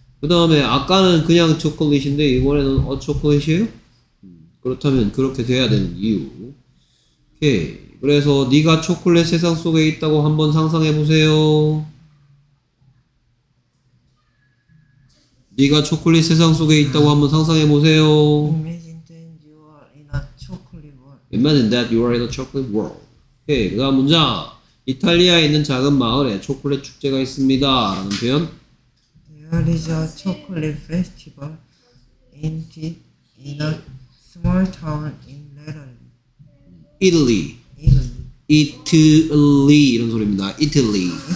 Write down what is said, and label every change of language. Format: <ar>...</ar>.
<ko>그 다음에 아까는 그냥 초콜릿인데 이번에는 어 초콜릿이에요? 그렇다면 그렇게 돼야 되는 이유. 오케이. 그래서 네가 초콜릿 세상 속에 있다고 한번 상상해 보세요. 네가 초콜릿 세상 속에 있다고 한번 상상해 보세요.</ko> <en>Imagine that you are in a chocolate world. Imagine that you are in a chocolate world.</en> <ko>오케이. 그 다음 문장. 이탈리아에 있는 작은 마을에 초콜릿 축제가 있습니다. 라는 표현.</ko> <en>There is a chocolate festival in a small town in Italy. Italy. Italy</en> <ko>이런 소리입니다.</ko> <en>Italy.</en>